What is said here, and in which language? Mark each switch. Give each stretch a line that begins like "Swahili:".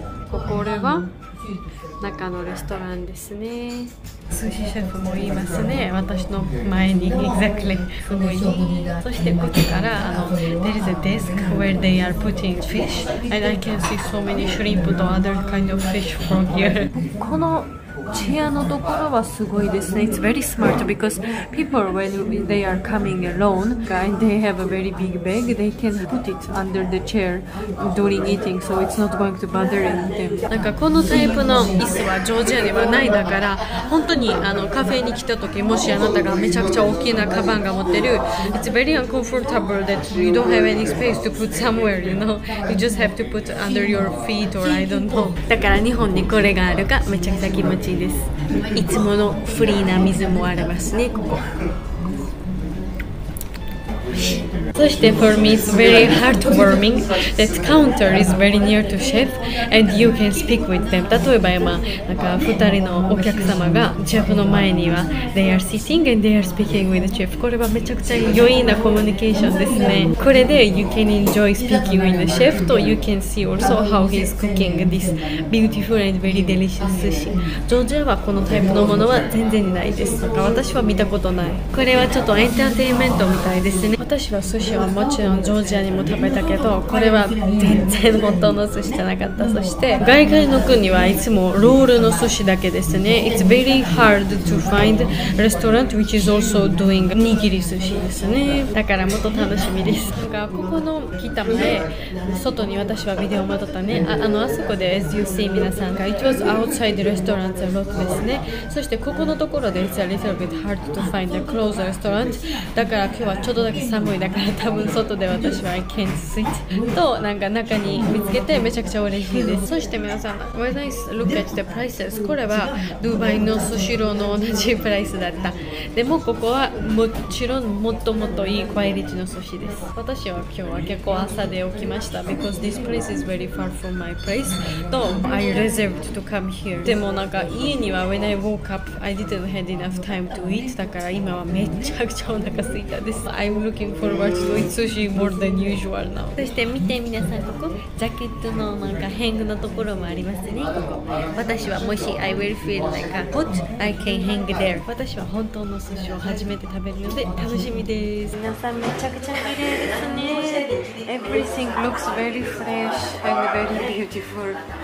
Japanese: これは中のレストランですね。寿司シェフもいますね、私の前に。 Exactly すごい。そしてここから
English: There is a desk where they are putting fish and I can see so many shrimp and other kind of fish from here.
Japanese: このチェアのところはすごいですね。
English: It's very smart because people when they are coming alone and they have a very big bag they can put it under the chair during eating so it's not going to bother them.
Japanese: なんかこのタイプの椅子はジョージアではないだから、本当にカフェに来た時、もしあなたがめちゃくちゃ大きなカバンが持ってる、
English: It's very uncomfortable that you don't have any space to put somewhere, you know. You just have to put under your feet or I don't know.
Japanese: だから日本にこれがあるかめちゃくちゃ気持ちいいです。いつものフリーな水もありますね、ここ。
English: そして for me it's very heartwarming that counter is very near to chef and you can speak with them.
Japanese: 例えば今なんか2人のお客様がシェフの前には
English: they are sitting and they are speaking with the chef.
Japanese: これはめちゃくちゃ良いなコミュニケーションですね。これで
English: you can enjoy speaking with the chef と you can see also how he is cooking this beautiful and very delicious sushi.
Japanese: ジョージアはこのタイプのものは全然ないです。なんか私は見たことない。これはちょっとエンターテインメントみたいですね。私は寿司はもちろんジョージアにも食べたけど、これは全然本当の寿司じゃなかった。そして外国の国はいつもロールの寿司だけですね。
English: It's very hard to find restaurant which is also doing
Japanese: 握り寿司ですね。だからもっと楽しみです。なんかここの来た前、外に私はビデオを撮ったね。あそこで
English: as you see
Japanese: 皆さんが
English: It was outside restaurants a lot
Japanese: ですね。そしてここのところで
English: It's a little bit hard to find a closed restaurant.
Japanese: だから今日はちょっとだけ寒いだから多分外で私は
English: I can't sit
Japanese: となんか中に見つけてめちゃくちゃ嬉しいです。そして皆さん
English: When I look at the prices
Japanese: これはドバイのスシローの同じプライスだった。でもここはもちろんもっともっといいクオリティの寿司です。私は今日は結構朝で起きました
English: because this place is very far from my place と I reserved to come here.
Japanese: でもなんか家には
English: When I woke up I didn't have enough time to eat
Japanese: だから今はめちゃくちゃお腹空いたです。
English: I'm looking forward to eat sushi more than usual now.
Japanese: そして見て皆さん、ここジャケットのなんかヘングのところもありますね。ここ私はもし
English: I will feel like a hot I can hang there.
Japanese: 私は本当の寿司を初めて食べるので楽しみです。皆さんめちゃくちゃ綺麗ですね。
English: Everything looks very fresh and very beautiful.